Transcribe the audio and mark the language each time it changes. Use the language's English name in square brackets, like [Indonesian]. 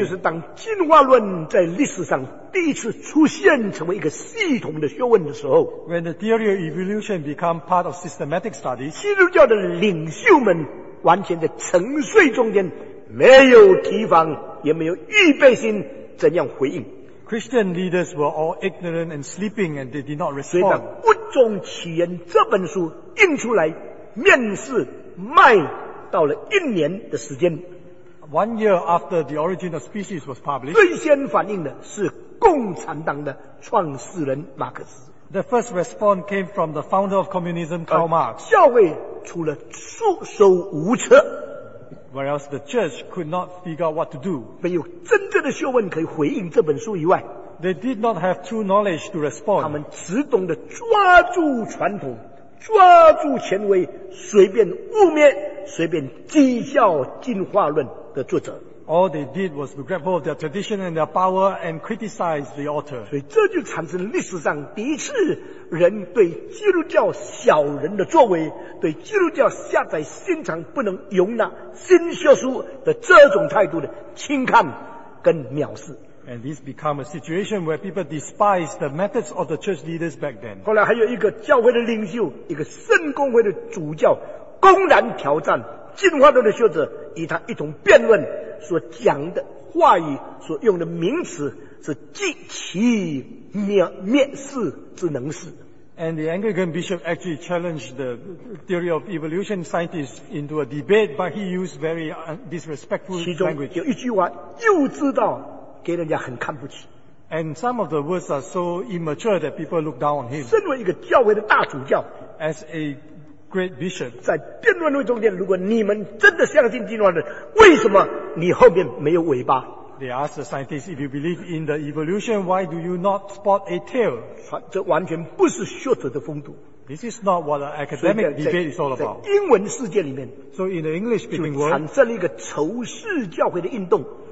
[Chinese] 就是当进化论在历史上第一次出现成为一个系统的学问的时候 [English] ，When the theory of evolution become part of systematic studies, [Chinese] 基督教的领袖们。完全在沉睡中间，没有提防，也没有预备心，怎样回应 [English] ？Christian leaders were all ignorant and sleeping, and they did not respond. [Chinese] 所以，《物种起源》这本书印出来，面世卖到了一年的时间。 [English] One year after The Origin of Species was published, [Chinese] 最先反应的是共产党的创始人马克思。 [English] The first response came from the founder of communism, Karl Marx. [Chinese] 教会除了束手无策 [English] ，whereas the church could not figure out what to do. [Chinese] 没有真正的学问可以回应这本书以外 [English] ，they did not have true knowledge to respond. [Chinese] 他们只懂得抓住传统，抓住权威，随便污蔑，随便讥笑进化论的作者。 [English] All they did was to grab hold of their tradition and their power and criticize the altar. [Chinese] 所以这就产生历史上第一次人对基督教小人的作为，对基督教下载心肠不能容纳新教书的这种态度的轻看跟藐视。 [English] And this became a situation where people despised the methods of the church leaders back then. [Chinese] 后来还有一个教会的领袖，一个圣公会的主教，公然挑战进化论的学者，与他一同辩论，所讲的话语、所用的名词是极其蔑视之能事。 [English] And the Anglican bishop actually challenged the theory of evolution scientists into a debate, but he used very disrespectful language. [Chinese] 其中有一句话又知道。给人家很看不起。 [English] And some of the words are so immature that people look down on him. [Chinese] 身为一个教会的大主教， [English] As a great bishop, [Chinese] 在辩论会中间，如果你们真的相信进化论，为什么你后面没有尾巴？ [English] They ask the scientists, if you believe in the evolution, why do you not spot a tail? [Chinese] 这完全不是学者的风度。 [English] This is not what an academic debate is all about. [Chinese] 在英文世界里面， [English] So in the English speaking world, [Chinese] 就产生了一个仇视教会的运动。